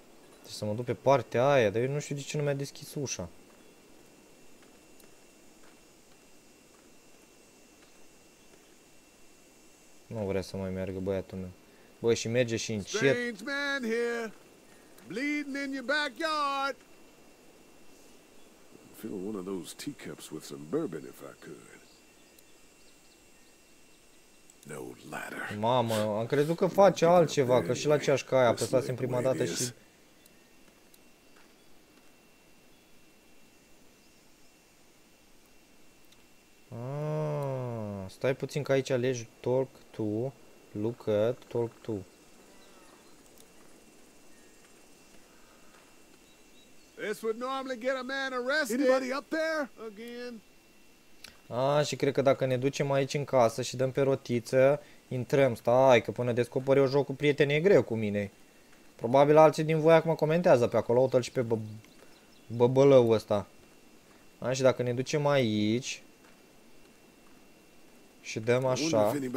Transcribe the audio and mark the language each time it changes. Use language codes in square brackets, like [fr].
[ro] Trebuie să mă duc pe partea aia, dar eu nu știu de ce nu mi-a deschis ușa. Nu vrea să mai meargă băiatul meu. Bă, și merge și încet. [en] Strange man here. Bleeding in your backyard. Fill one of those teacups with some bourbon if I could. No ladder. [ro] Mamă, am crezut că face altceva, că și la ceașca aia apăsase în prima dată și... Ah, stai puțin că aici alegi [en] talk to, look at, talk to. This would normally get a man arrested. Anybody up there? Again. [ro] Ah, și cred că dacă ne ducem aici în casă și dăm pe rotiță, intrăm. Stai, că până descoper eu jocul, prietenii, e greu cu mine. Probabil alții din voi acum comentează pe acolo, uite-l și pe băbălăul ăsta. Ah, și dacă ne ducem aici și dăm așa.